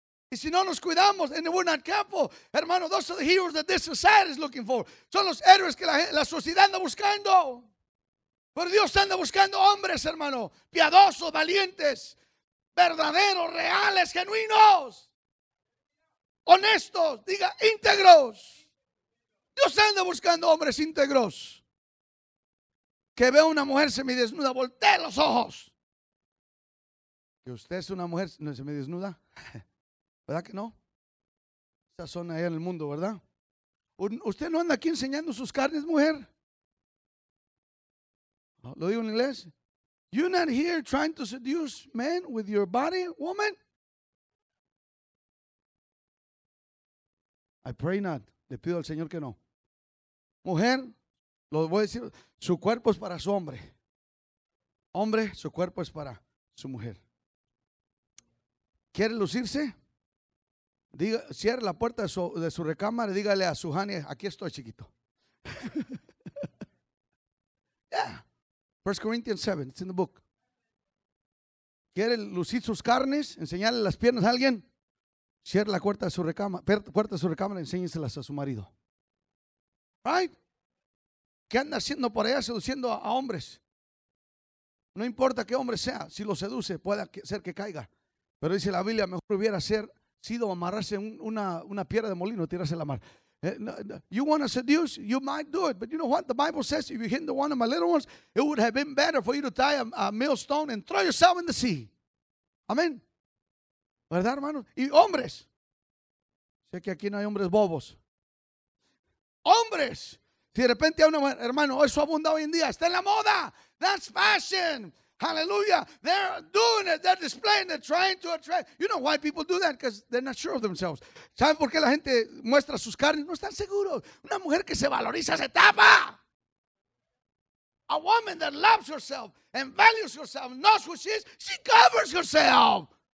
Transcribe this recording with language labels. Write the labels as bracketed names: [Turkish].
[Spanish] Y si no nos cuidamos, [English] and we're not careful, hermano, those are the heroes that this society is looking for. [Spanish] Son los héroes que la sociedad anda buscando. Pero Dios anda buscando hombres, hermano, piadosos, valientes, verdaderos, reales, genuinos, honestos, diga, íntegros. Dios anda buscando hombres íntegros. Que vea una mujer semidesnuda, voltee los ojos. Que usted es una mujer semidesnuda, ¿verdad que no? Esa zona allá en el mundo, ¿verdad? ¿Usted no anda aquí enseñando sus carnes, mujer? ¿Lo digo en inglés? [English] You're not here trying to seduce men with your body, woman? I pray not. [Spanish] Le pido al Señor que no. Mujer, lo voy a decir, su cuerpo es para su hombre. Hombre, su cuerpo es para su mujer. ¿Quiere lucirse? Diga, cierre la puerta de su recámara y dígale a su honey, aquí estoy, chiquito. [English] Yeah. 1 Corinthians 7, it's in the book. [Spanish] ¿Quiere lucir sus carnes? Enseñarle las piernas a alguien. Cierre la puerta de su recámara y enséñeselas a su marido. Right? ¿Qué anda haciendo por allá seduciendo a hombres? No importa qué hombre sea, si lo seduce puede ser que caiga. Pero dice la Biblia, mejor hubiera sido amarrarse una piedra de molino, tirarse a la mar. [English] You want to seduce, you might do it. But you know what the Bible says, if you hit the one of my little ones, it would have been better for you to tie a millstone and throw yourself in the sea. [Spanish] Amén. ¿Verdad, hermano? Y hombres. Sé que aquí no hay hombres bobos. ¡Hombres! Si de repente hay una mujer, hermano, eso abunda hoy en día, está en la moda. [English] That's fashion. [Spanish] Hallelujah. [English] They're doing it. They're displaying. They're trying to attract. You know why people do that? Because they're not sure of themselves. [Spanish] ¿Saben por qué la gente muestra sus carnes? No están seguros. Una mujer que se valoriza se tapa. [English] A woman that loves herself and values herself, knows who she is, she covers herself.